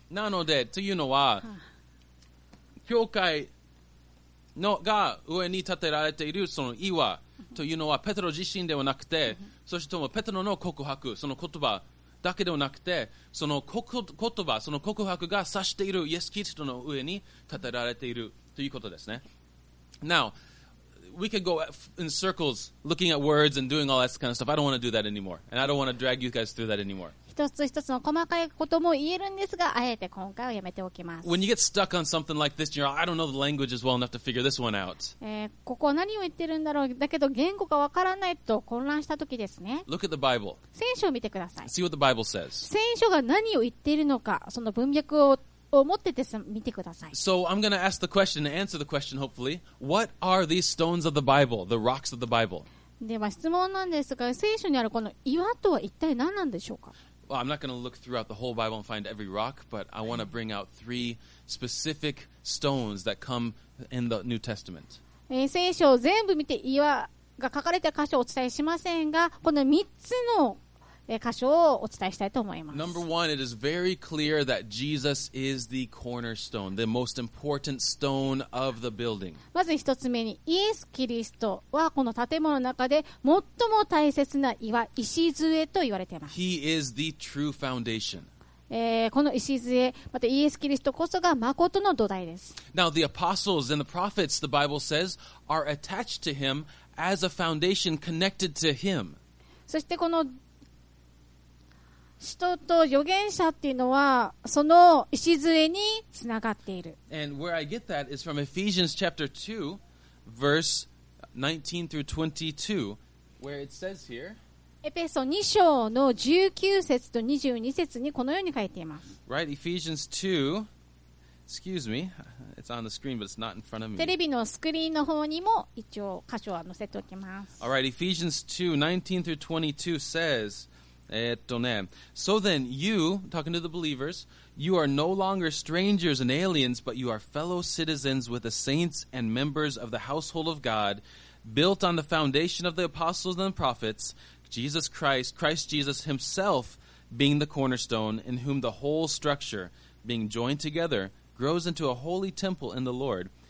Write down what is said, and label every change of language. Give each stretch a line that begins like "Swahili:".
Japanese: なので、というのは、教会のが上に建てられているその岩というのはペテロ自身ではなくて、そしてもペテロの告白、その言葉だけではなくて、その言葉、その告白が指しているイエス・キリストの上に建てられているということですね。
English: Now, we could go in circles looking at words and doing all that kind of stuff. I don't want to do that anymore. And I don't want to drag you guys through that anymore.
Japanese: 一つ一つの細かいことも言えるんですが、あえて今回はやめておきます。
English: When you get stuck on something like this, you're like, I don't know the language is well enough to figure this one out.
Japanese: ここ何を言ってるんだろう、だけど言語がわからないと混乱したときですね。
English: Look at the Bible.
Japanese: 聖書を見てください。
English: See what the Bible says.
Japanese: 聖書が何を言っているのか、その文脈を持ってて見てください。
English: So I'm going to ask the question and answer the question hopefully. What are these stones of the Bible, the rocks of the Bible?
Japanese: では質問なんですが、聖書にあるこの岩とは一体何なんでしょうか？
English: Well, I'm not going to look throughout the whole Bible and find every rock, but I want to bring out three specific stones that come in the New Testament.
Japanese: 聖書を全部見て岩が書かれている箇所をお伝えしませんが、この3つの箇所をお伝えしたいと思います。
English: Number one, it is very clear that Jesus is the cornerstone, the most important stone of the building.
Japanese: まず1つ目に、イエス・キリストはこの建物の中で最も大切な岩、石杖と言われています。
English: He is the true foundation.
Japanese: この石杖、またイエス・キリストこそが誠の土台です。
English: Now, the apostles and the prophets, the Bible says, are attached to him as a foundation connected to him.
Japanese: そしてこの使徒と預言者っていうのはその礎につながっている。
English: And where I get that is from Ephesians chapter 2, verse 19 through 22, where it says here.
Japanese: エペソ2章の19節と22節にこのように書いています。
English: Right, Ephesians 2. Excuse me, it's on the screen, but it's not in front of me.
Japanese: テレビのスクリーンの方にも一応箇所は載せておきます。
English: All right, Ephesians 2, 19 through 22 says. So then you, talking to the believers, you are no longer strangers and aliens, but you are fellow citizens with the saints and members of the household of God, built on the foundation of the apostles and the prophets, Jesus Christ, Christ Jesus himself being the cornerstone, in whom the whole structure, being joined together, grows into a holy temple in the Lord.